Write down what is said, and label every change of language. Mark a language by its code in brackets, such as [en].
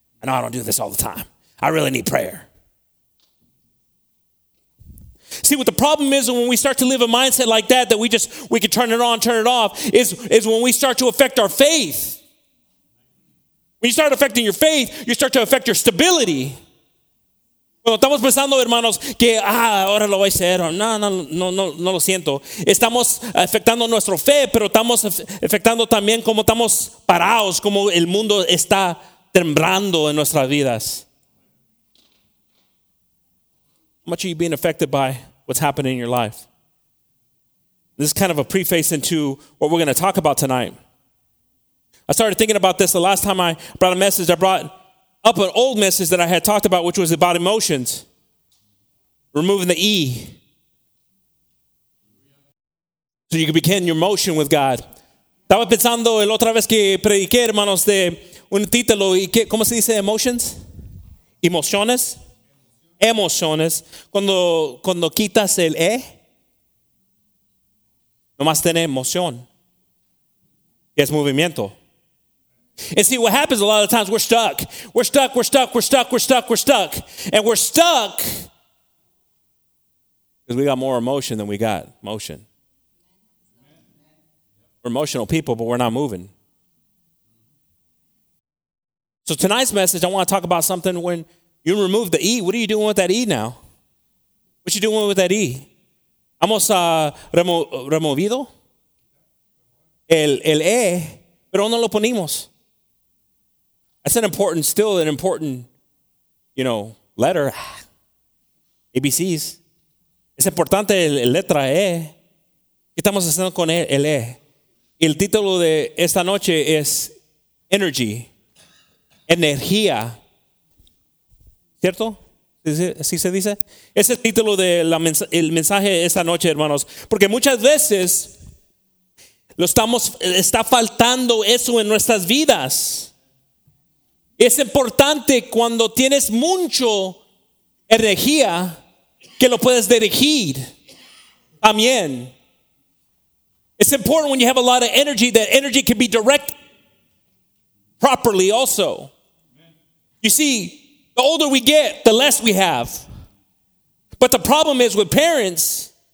[en] I know I don't do this all the time. I really need prayer. See, what the problem is when we start to live a mindset like that, that we can turn it on, turn it off, is when we start to affect our faith. When you start affecting your faith, you start to affect your stability. [es] Cuando estamos pensando, hermanos, que ahora lo voy a hacer, no lo siento. Estamos afectando nuestra fe, pero estamos afectando también cómo estamos parados, cómo el mundo está temblando en nuestras vidas. [en] How much are you being affected by what's happening in your life? This is kind of a preface into what we're going to talk about tonight. I started thinking about this the last time I brought a message. I brought up an old message that I had talked about, which was about emotions. Removing the E. So you can begin your motion with God. [es] Estaba pensando el otra vez que prediqué, hermanos, de un título, y que, ¿cómo se dice emotions? Emociones. Emociones. Cuando quitas el E, nomás tiene emoción. Es movimiento. [en] And see, what happens a lot of times, we're stuck. And we're stuck because we got more emotion than we got motion. We're emotional people, but we're not moving. So tonight's message, I want to talk about something. When you remove the E, what are you doing with that E now? What you doing with that E? [es] Hemos removido el E, pero no lo ponemos. [en] That's an important, letter. ABCs. [es] Es importante la letra E. ¿Qué estamos haciendo con el E? El título de esta noche es Energy. Energía, ¿cierto? ¿Así se dice? Ese título del mensaje esta noche, hermanos. Porque muchas veces está faltando eso en nuestras vidas. Es importante cuando tienes mucho energía que lo puedes dirigir. Amén. [en] It's important when you have a lot of energy, that energy can be directed properly also. You see, the older we get, the less we have. But the problem is with parents.